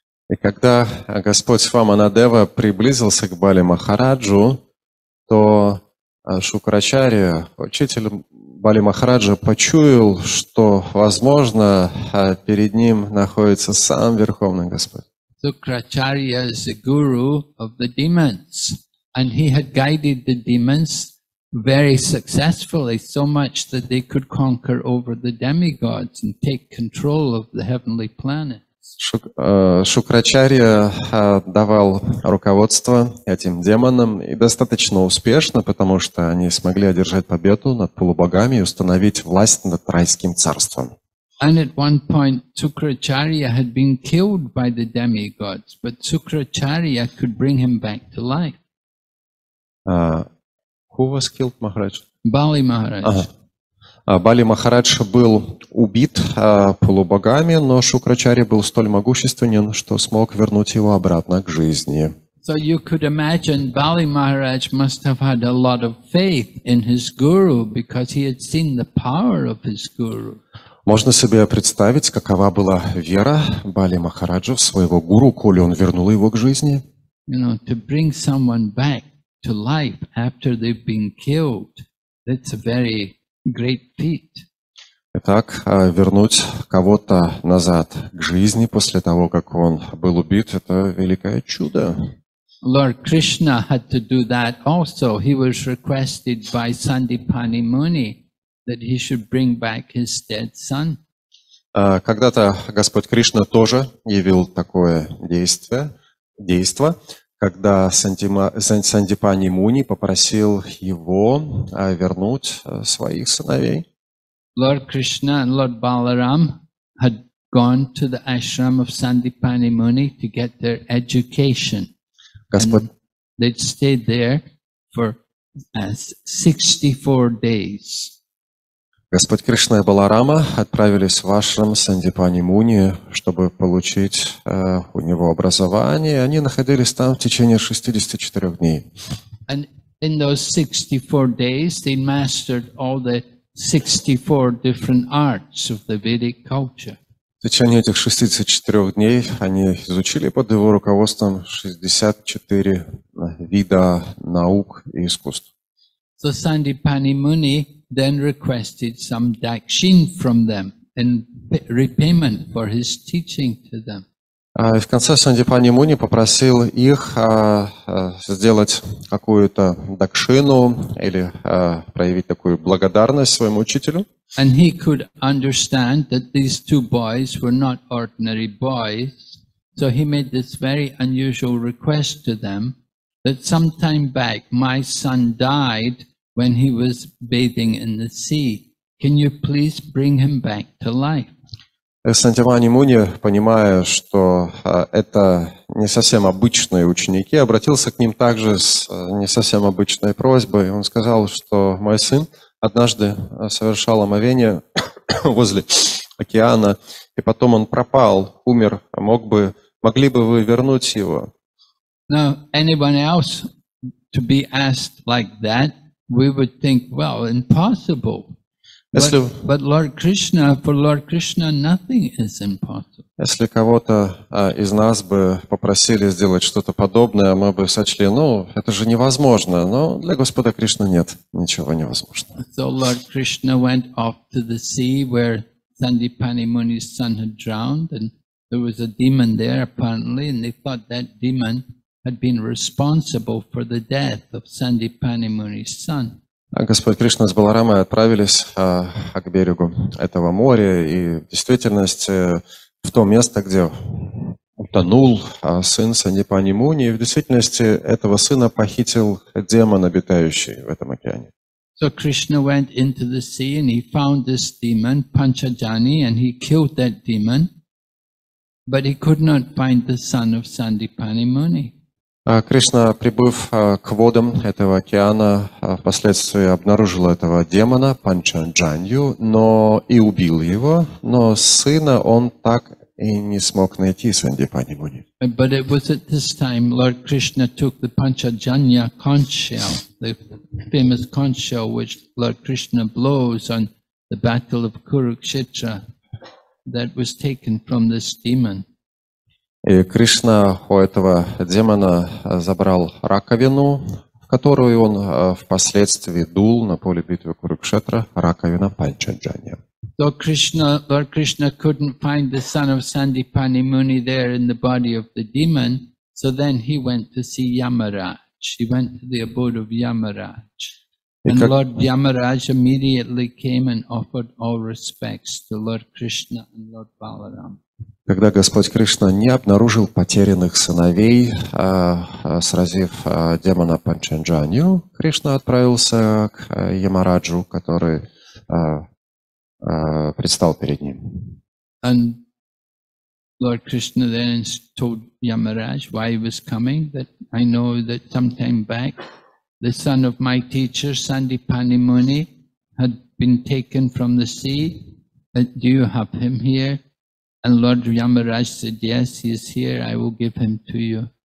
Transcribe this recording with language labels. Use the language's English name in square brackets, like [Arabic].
[Russian] И когда Господь Ваманадева приблизился к Бали Махараджу, то Шукрачарья, учитель Бали Махараджа, почуял, что, возможно, перед ним находится сам Верховный Господь. [English] Шукрачарья is the guru of the demons, and he had guided the demons very successfully, so much that they could conquer over the demigods and take control of the heavenly planet. [Russian] Шукрачарья давал руководство этим демонам и достаточно успешно, потому что они смогли одержать победу над полубогами и установить власть над райским царством. [English] And at one point Shukracharya had been killed by the demigods, but Shukracharya could bring him back to life. Who was killed, Maharaj? Bali Maharaj. [Russian] Ага. Бали Махарадж был убит полубогами, но Шукрачарья был столь могущественен, что смог вернуть его обратно к жизни. [English] So you could imagine Bali Maharaj must have had a lot of faith in his guru, because he had seen the power of his guru. [Russian] Можно себе представить, какова была вера Бали Махараджа в своего гуру, коли он вернул его к жизни. [English] You know, to bring someone back to life after they've been killed That's a very great feat. [Russian] Итак, вернуть кого-то назад к жизни после того, как он был убит, это великое чудо. [English] Lord Krishna had to do that also. He was requested by Sandipani Muni that he should bring back his dead son. [Russian] Когда-то Господь Кришна тоже явил такое действо, когда Сандипани Муни попросил его вернуть своих сыновей. [English] Lord Krishna and Lord Balaram had gone to the ashram of Sandipani Muni to get their education. They'd stayed there for 64 days. [Russian] Господь Кришна и Баларама отправились в ашрам Сандипани Муни, чтобы получить у него образование. Они находились там в течение 64 дней. [English] And in those 64 days, they mastered all the 64 different arts of the Vedic culture. [Russian] В течение этих 64 дней они изучили под его руководством 64 вида наук и искусств. [English] So Sandipani Muni then requested some dakshin from them in repayment for his teaching to them. [Russian] В конце Сандипани Муни попросил их сделать какую-то дакшину или проявить такую благодарность своему учителю. [English] And he could understand that these two boys were not ordinary boys, so he made this very unusual request to them that some time back my son died when he was bathing in the sea. Can you please bring him back to life? [Russian] Сандипани Муни, понимая, что это не совсем обычные ученики, обратился к ним также с не совсем обычной просьбой. Он сказал, что мой сын однажды совершал омовение возле океана, и потом он пропал, умер. Могли бы вы вернуть его? [English] Now, anyone else to be asked like that, we would think, well, impossible. But for Lord Krishna, nothing is impossible. [Russian] Если кого-то из нас бы попросили сделать что-то подобное, мы бы сочли, ну, это же невозможно. Но для Господа Кришны нет ничего невозможного. [English] So Lord Krishna went off to the sea where Sandipani Muni's son had drowned, and there was a demon there apparently, and they thought that demon had been responsible for the death of Sandipani Muni's son. [Russian] Господь Кришна с Баларамой отправились к берегу этого моря, и в действительности в то место, где утонул сын Сандипани Муни, и в действительности этого сына похитил демон, обитающий в этом океане. [English] So Krishna went into the sea and he found this demon, Panchajani, and he killed that demon, but he could not find the son of Sandipani Muni. [Russian] Кришна, прибыв к водам этого океана, впоследствии обнаружил этого демона, Панчаджанью, но и убил его, но сына он так и не смог найти, Сандипани Муни. [English] But it was at this time Lord Krishna took the Panchajanya conch shell, the famous conch shell which Lord Krishna blows on the battle of Kurukshetra, that was taken from this demon. [Russian] И Кришна у этого демона забрал раковину, в которую он впоследствии дул на поле битвы Курукшетра, раковина Панчаджанья. [English] So Krishna, Lord Krishna couldn't find the son of Sandipani Muni there in the body of the demon, so then he went to see Yamaraj. He went to the abode of Yamaraj. And Lord Yamaraj immediately came and offered all respects to Lord Krishna and Lord Balaram. [Russian] Когда Господь Кришна не обнаружил потерянных сыновей, сразив демона Панчаджанью, Кришна отправился к Ямараджу, который предстал перед ним. [English] And Lord Krishna then told Yamaraj why he was coming, that I know that some time back the son of my teacher, Sandipani Muni, had been taken from the sea. Do you have him here? And Lord Yamaraj said, yes, he is here, I will give him to you.